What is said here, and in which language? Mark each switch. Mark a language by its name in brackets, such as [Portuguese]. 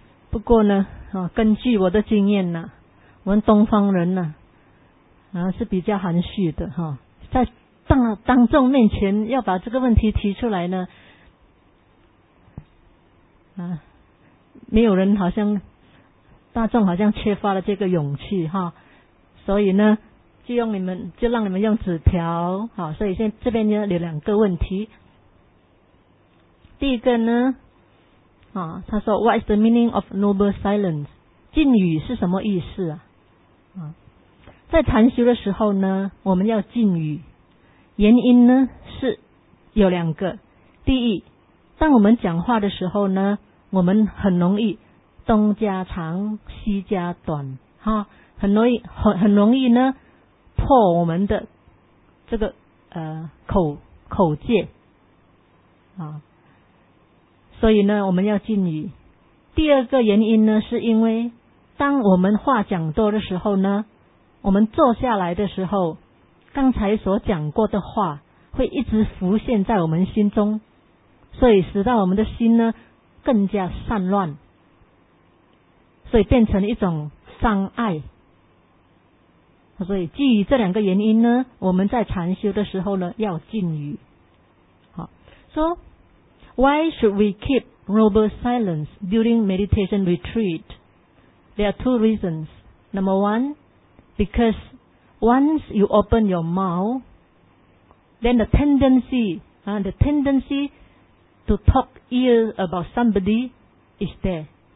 [Chinese] 不过呢，啊，根据我的经验呢，啊，我们东方人呢，啊，是比较含蓄的哈，啊，在当众面前要把这个问题提出来呢，啊，没有人好像大众好像缺乏了这个勇气哈，啊，所以呢，就让你们用纸条好，啊，所以现在这边有两个问题，第一个呢。啊，他说 [English] What is the meaning of noble silence? [Chinese] 静语是什么意思啊？啊，在禅修的时候呢，我们要静语，原因呢是有两个。第一，当我们讲话的时候呢，我们很容易东家长西家短，哈，啊，很容易呢破我们的这个口戒啊。所以呢我们要静语。第二个原因呢是因为当我们话讲多的时候呢，我们坐下来的时候，刚才所讲过的话会一直浮现在我们心中，所以使到我们的心呢更加散乱，所以变成一种障碍。所以基于这两个原因呢，我们在禅修的时候呢要静语。好，说 [English] Why should we keep noble silence during meditation retreat? There are two reasons. Number one, because once you open your mouth, then the tendency to talk ill about somebody is there.